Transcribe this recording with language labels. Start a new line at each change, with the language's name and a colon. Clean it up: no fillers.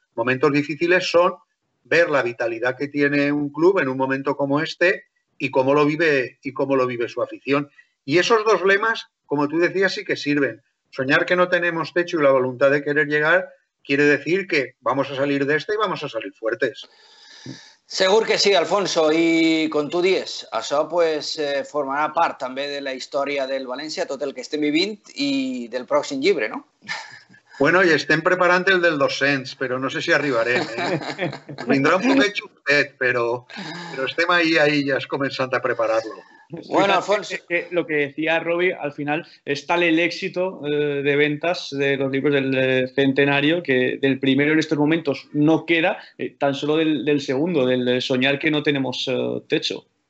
Spanish: Momentos difíciles son ver la vitalidad que tiene un club en un momento como este y cómo lo vive su afición. Y esos dos lemas, como tú decías, sí que sirven. Soñar que no tenemos techo y la voluntad de querer llegar quiere decir que vamos a salir de este y vamos a salir fuertes.
Catalan: Segur que sí, Alfonso, i com tu dius, això pues, formarà part també de la història del València, tot el que estem vivint i del pròxim llibre, no? Bueno, i estem preparant el del 200, però no sé si arribarem. Vindrà un poquet xupet, però estem ahí ja començant a preparar-lo. Bueno, Alfonso.
Spanish: Lo que decía Robbie, al final es tal el éxito de ventas de los libros del centenario que del primero en estos momentos no queda, tan solo del segundo, del soñar que no tenemos techo.